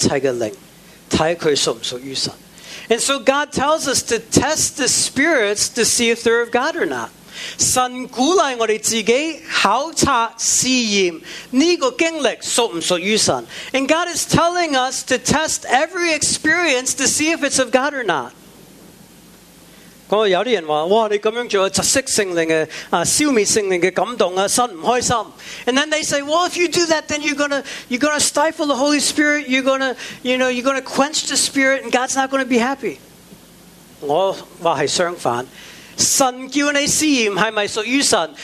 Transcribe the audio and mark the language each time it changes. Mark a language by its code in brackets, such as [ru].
[zh] 所以神叫我们试验一切的灵,看它属不属于神. [en] And so God tells us to test the spirits to see if they're of God or not. [zh] 神鼓励我们自己考察试验这个经历属不属于神. [en] And God is telling us to test every experience to see if it's of God or not. [zh] 有些人说,你这样做,窒息圣灵的,消灭圣灵的感动,神不开心. [en] And then they say, well, if you do that, then you're gonna stifle the Holy Spirit, you're gonna quench the Spirit, and God's not going to be happy. [zh] 我说是相反,神叫你试验是不是属于神?